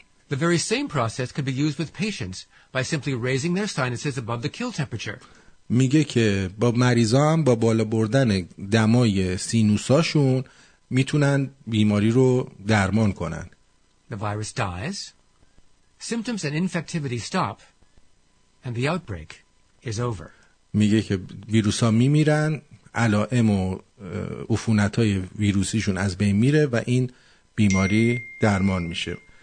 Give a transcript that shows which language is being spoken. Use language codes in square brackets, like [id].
[en] The very same process could be used with patients by simply raising their sinuses above the kill temperature. [fa] میگه که با مریضا هم با بالا بردن دمای سینوساشون میتونن بیماری رو درمان کنن. [en] The virus dies. Symptoms and infectivity stop and the outbreak is over. [fa] میگه که ویروس ها میمیرن، علائم و عفونت های ویروسیشون از بین میره و این بیماری درمان میشه.